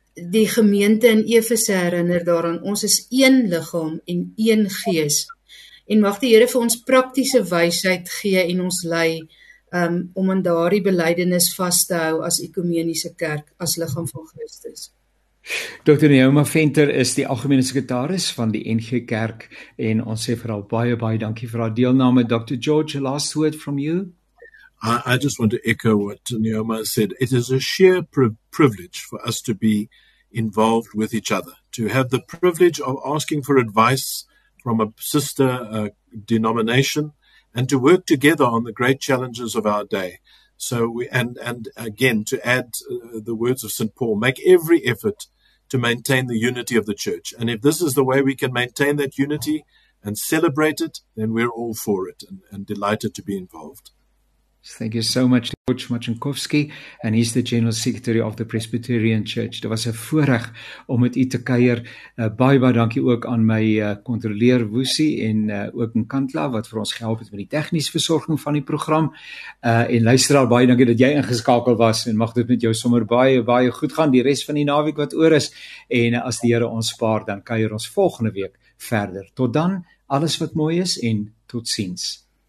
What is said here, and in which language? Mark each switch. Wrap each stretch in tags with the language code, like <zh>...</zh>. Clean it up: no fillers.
<af>die gemeente in Efese herinner daaraan, ons is een liggaam en een gees, en mag die Here vir ons praktiese wysheid gee en ons lei, om aan daardie belydenis vas te hou as ekumeniese kerk, as liggaam van Christus. Dr. Neoma Venter is die algemene sekretaris van die NG Kerk en ons sê vir al baie, baie dankie vir haar deelname.</af> <en>Dr. George, a last word from you? I just want to echo what Neoma said. It is a sheer privilege for us to be involved with each other, to have the privilege of asking for advice from a sister denomination, and to work together on the great challenges of our day. So again, to add the words of St. Paul, make every effort to maintain the unity of the church. And if this is the way we can maintain that unity and celebrate it, then we're all for it and delighted to be involved. Thank you so much, George Marchankowski, and he's the General Secretary of the Presbyterian Church.</en> <af>Dit was 'n voorreg om met u te kuier. Baie baie dankie ook aan my kontroleer Woesie en ook Nkandla wat vir ons gehelp het met die tegniese versorging van die program. En luisteraar, baie dankie dat jy ingeskakel was en mag dit met jou sommer baie baie goed gaan die res van die naweek wat oor is. En as die Here ons spaar, dan kuier ons volgende week verder. Tot dan, alles wat mooi is en tot ziens.</af>